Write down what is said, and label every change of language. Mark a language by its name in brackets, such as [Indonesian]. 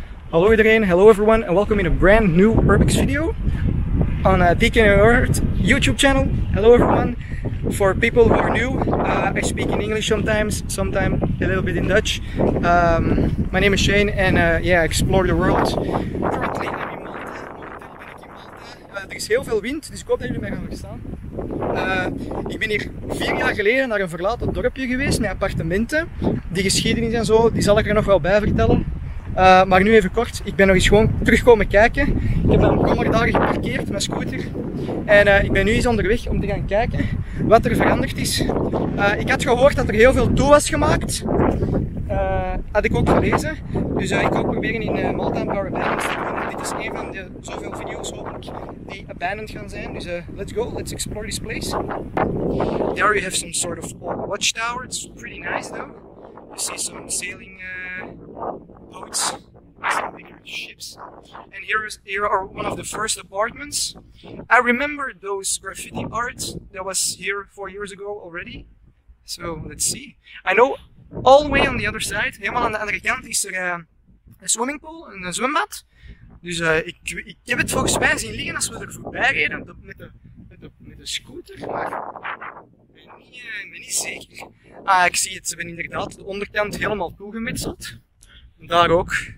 [English] Hello again, hello everyone, and welcome in a brand new Urbex video on Deacon and Earth YouTube channel. Hello everyone. For people who are new, I speak in English sometimes a little bit in Dutch. My name is Shane, and yeah, I explore the world. Currently, I'm in Malta. There is [Dutch] heel veel wind, dus ik hoop dat jullie mij gaan verstaan. Ik ben hier 4 jaar geleden naar een verlaten dorpje geweest met appartementen. Die geschiedenis en zo, die zal ik er nog wel bij vertellen. Maar nu even kort, ik ben nog eens gewoon terugkomen kijken. Ik heb een paar dagen geparkeerd, mijn scooter. En ik ben nu eens onderweg om te gaan kijken wat er veranderd is. Ik had gehoord dat er heel veel toe was gemaakt. Had ik ook gelezen. Dus ik ook proberen in Malta Power Balance te doen. Dit is een van de zoveel video's, hopelijk, die abandoned gaan zijn. [English] Dus let's go, let's explore this place. There you have some sort of watchtower. It's pretty nice though. You see some sailing... boats, some bigger ships. And here are one of the first apartments. I remember those graffiti art that was here 4 years ago already. So let's see. I know all the way on the other side, [Dutch] helemaal aan de andere kant, is er een swimming pool, een zwembad. Dus ik heb het volgens mij zien liggen als we er voorbij reden met de scooter. Maar ik ben niet zeker. Ah, ik zie het. Ze hebben inderdaad de onderkant helemaal toegemetseld. Daar ook.